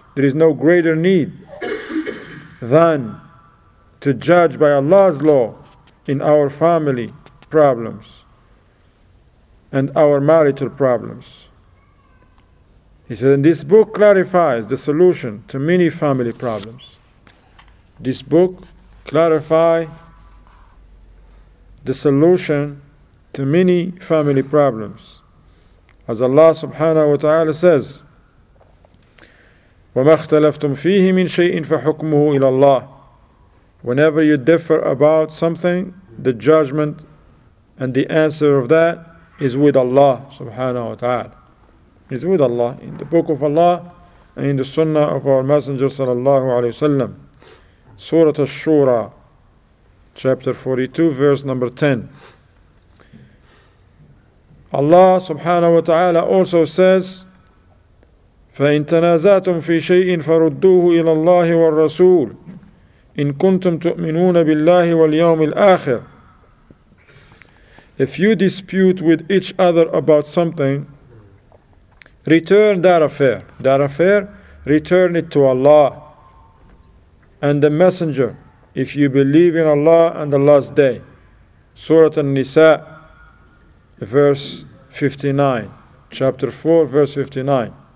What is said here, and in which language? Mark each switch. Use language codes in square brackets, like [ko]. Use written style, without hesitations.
[en] There is no greater need than to judge by Allah's law in our family problems and our marital problems. He said, and this book clarifies the solution to many family problems. This book clarifies the solution to many family problems. As Allah subhanahu wa ta'ala says, [ar] وَمَا اخْتَلَفْتُمْ فِيهِ مِنْ شَيْءٍ فَحُكْمُهُ إِلَى اللَّهِ. [en] Whenever you differ about something, the judgment and the answer of that is with Allah subhanahu wa ta'ala. It's with Allah, in the book of Allah and in the sunnah of our Messenger sallallahu alayhi wa sallam. Surah Ash-Shura, chapter 42, verse number 10. Allah subhanahu wa ta'ala also says, [ar] فَإِن تَنَازَعْتُمْ فِي شَيْءٍ فَرُدُّوهُ إِلَى اللَّهِ وَالرَّسُولِ إِن كُنْتُمْ تُؤْمِنُونَ بِاللَّهِ وَالْيَوْمِ الْآخِرِ. [en] If you dispute with each other about something, return that affair. That affair, return it to Allah and the Messenger, if you believe in Allah and the last day. Surah An-Nisa, verse 59, chapter 4, verse 59.